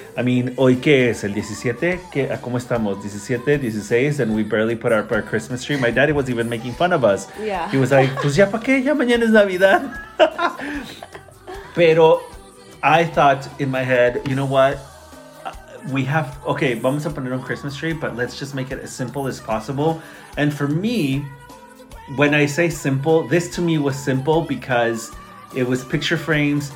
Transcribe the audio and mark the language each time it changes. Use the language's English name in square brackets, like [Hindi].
[English] I mean, [Spanish] hoy que es el 17, que, ¿cómo estamos? [English] 17, 16, and we barely put up our Christmas tree. My daddy was even making fun of us. Yeah. He was like, [Spanish] pues ya pa' qué, ya mañana es Navidad. Pero [English] I thought in my head, you know what? We have, okay, [Spanish] vamos a poner un [English] Christmas tree, but let's just make it as simple as possible. And for me, when I say simple, this to me was simple because it was picture frames.